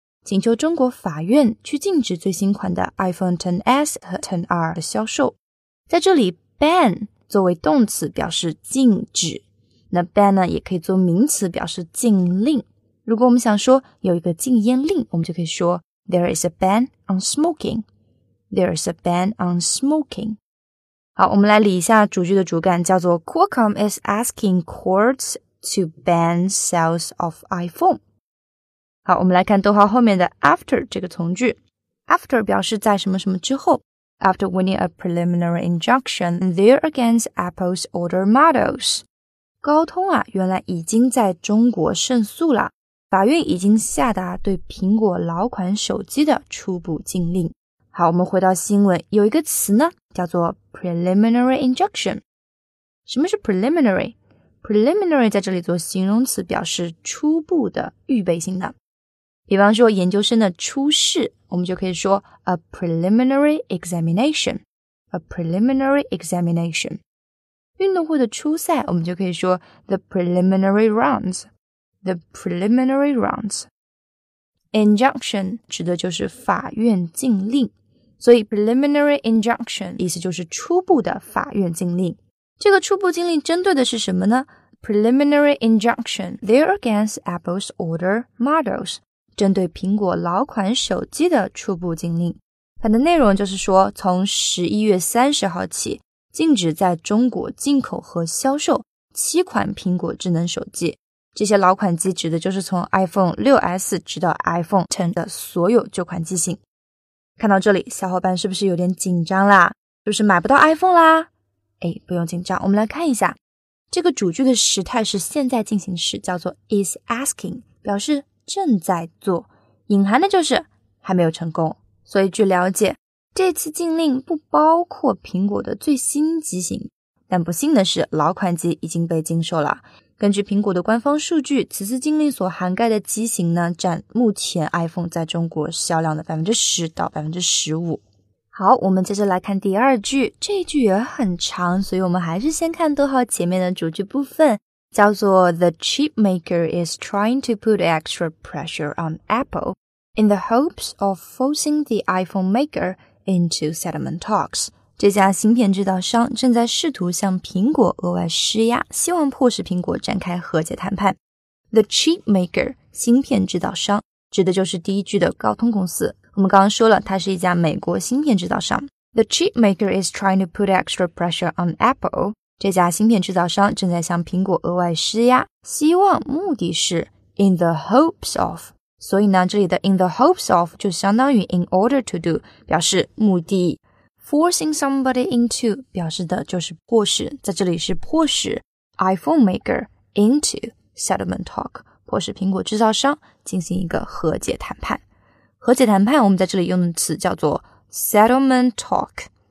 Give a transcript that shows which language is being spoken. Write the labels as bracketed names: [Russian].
[Chinese] 请求中国法院去禁止最新款的 iPhone XS 和 XR 的销售。在这里 ，ban 作为动词表示禁止，那 ban 呢也可以做名词表示禁令。如果我们想说有一个禁烟令，我们就可以说 [English] There is a ban on smoking. There is a ban on smoking. [Chinese] 好，我们来理一下主句的主干，叫做 [English] Qualcomm is asking courts to ban sales of iPhone. [Chinese] 好，我们来看逗号后面的 after 这个从句。After 表示在什么什么之后。 [English] After winning a preliminary injunction there against Apple's older models. [Chinese] 高通啊，原来已经在中国胜诉了。法院已经下达对苹果老款手机的初步禁令。好，我们回到新闻，有一个词呢叫做 preliminary injunction。什么是 preliminary？ preliminary 在这里做形容词，表示初步的、预备性的。比方说研究生的初试，我们就可以说 [English] a preliminary examination， a preliminary examination。 [Chinese] 运动会的初赛，我们就可以说 [English] the preliminary rounds， the preliminary roundsInjunction [Chinese] 指的就是法院禁令，所以 preliminary injunction 意思就是初步的法院禁令。这个初步禁令针对的是什么呢？ [English] preliminary injunction there against Apple's older models， [Chinese] 针对苹果老款手机的初步禁令。它的内容就是说，从11月30号起，禁止在中国进口和销售七款苹果智能手机。这些老款机指的就是从 iPhone 6S 直到 iPhone X 的所有旧款机型。看到这里，小伙伴是不是有点紧张啦？是不是买不到 iPhone 啦？诶，不用紧张，我们来看一下。这个主句的时态是现在进行时，叫做 [English] is asking, [Chinese] 表示正在做。隐含的就是还没有成功。所以据了解，这次禁令不包括苹果的最新机型，但不幸的是老款机已经被禁售了。根据苹果的官方数据，此次禁令所涵盖的机型呢，占目前 iPhone 在中国销量的 10%-15%。好，我们接着来看第二句，这句也很长，所以我们还是先看逗号前面的主句部分，叫做 [English] The chip maker is trying to put extra pressure on Apple in the hopes of forcing the iPhone maker into settlement talks. [Chinese] 这家芯片制造商正在试图向苹果额外施压，希望迫使苹果展开和解谈判。 [English] The chip maker, [Chinese] 芯片制造商，指的就是第一句的高通公司。我们刚刚说了，它是一家美国芯片制造商。 [English] The chip maker is trying to put extra pressure on Apple. [Chinese] 这家芯片制造商正在向苹果额外施压，希望目的是 [English] in the hopes of。 [Chinese] 所以呢，这里的 in the hopes of 就相当于 [English] in order to do, [Chinese] 表示目的。 [English] Forcing somebody into [Chinese] 表示的就是迫使，在这里是迫使 [English] iPhone maker into settlement talk, [Chinese] 迫使苹果制造商进行一个和解谈判。和解谈判我们在这里用的词叫做 settlement talk。